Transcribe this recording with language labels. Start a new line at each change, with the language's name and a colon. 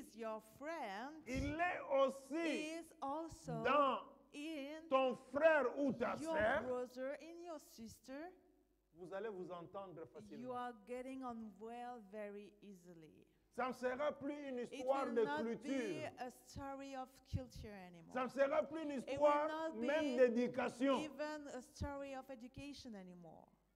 English: is your friend,
French: il est aussi
English: is also
French: dans
English: in
French: ton frère ou ta
English: your
French: sœur,
English: brother, in your sister,
French: vous allez vous entendre facilement.
English: You are getting on well very easily.
French: Ça ne sera plus une histoire de culture.
English: It will not be a story of culture anymore.
French: Ça ne sera plus une histoire même d'éducation.
English: It will not be even a story of education anymore.